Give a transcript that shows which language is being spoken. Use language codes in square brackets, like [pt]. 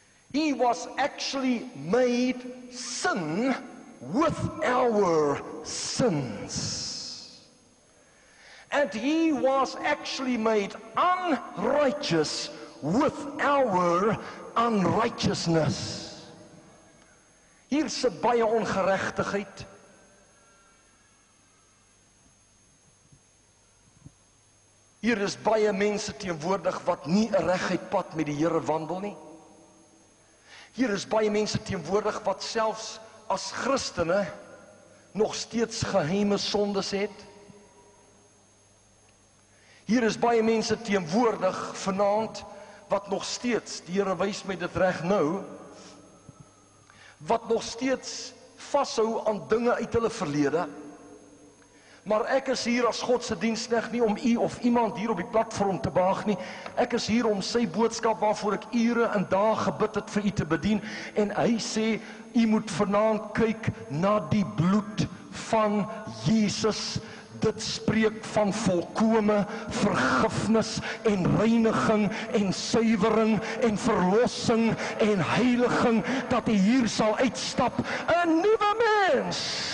[en] He was actually made sin with our sins. And he was actually made unrighteous with our unrighteousness. [af] Hier sit baie ongeregtigheid. Hier is baie mense teenwoordig wat nie 'n regheid pad met die Here wandel nie. Hier is baie mense teenwoordig wat selfs as Christene nog steeds geheime sondes het. Hier is baie mense teenwoordig vanaand wat nog steeds, die Here wys my dit reg nou, wat nog steeds vashou aan dinge uit hulle verlede. Maar ek is hier as God se diensknegt nie om u of iemand hier op die platform te behaag nie. Ek is hier om sy boodskap waarvoor ek ure en dae gebid het vir u te bedien, en hy sê u moet vanaand kyk na die bloed van Jesus. dit spreek van volkome vergifnis en reiniging en suivering en verlossing en heiliging, dat hy hier sal uitstap, een nieuwe mens.